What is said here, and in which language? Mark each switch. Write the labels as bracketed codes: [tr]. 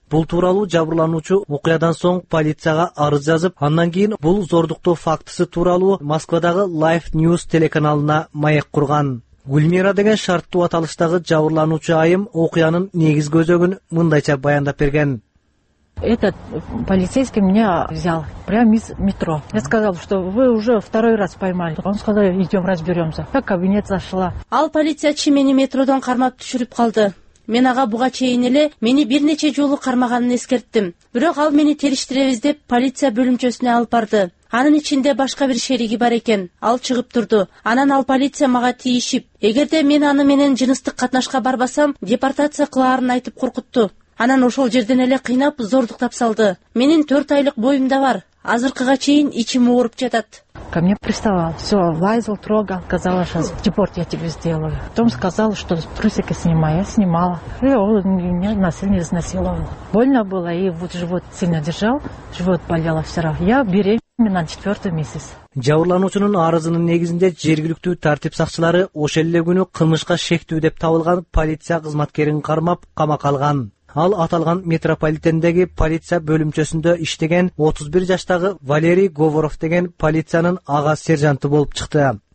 [ky] Бул тууралуу жабырлануучу окуядан соң полицияга арыз жазып, андан кийин бул зордуктоо фактысы тууралуу Москвадагы Life News телеканалына маек курган. Гүлмира деген шарттуу аталыштагы жабырлануучу айым окуянын негизги өзөгүн мындайча баяндап берген. [ru] Этот полицейский меня взял прямо из метро. Я сказал, что вы уже второй раз поймали. Он сказал, идем разберемся. Я в кабинет зашла. [ky] Ал полициячы мени метродон кармап түшүрүп калды. Мен ага буга чейин эле мени бир нече жолу кармаганын эскерттим. Бирок ал мени териштиребиз деп полиция бөлүмчөсүнө алып барды. Анын ичинде башка бир шериги бар экен. Ал чыгып турду. Анан ал полиция мага тийишип, эгерде мен аны менен жыныстык катнашка барбасам, депортация кылаарын айтып коркутту. Анан ошол жерден эле кыйнап, зордуктап салды. Менин 4 айлык боюм да бар. Азыркыга чейин ичим ооруп жатат. [ru] Ко мне приставал, все, лазил, трогал, сказала, сейчас депорт я тебе сделаю. Потом сказала, что трусики снимай, я снимала. И он меня насильно изнасиловал. Больно было, и вот живот сильно держал, живот болело все равно. Я беременна 4 месяц. [ky] Жабырлануучунун арызынын негизинде жергиликтүү тартип сакчылары ошол эле күнү кылмышка шектүү деп табылган полиция кызматкерин кармап камак алган. Ал аталган метрополитендеги полиция бөлүмчөсүндө иштеген 31 жаштагы Валерий Говоров деген полициянын ага сержанты болуп чыкты.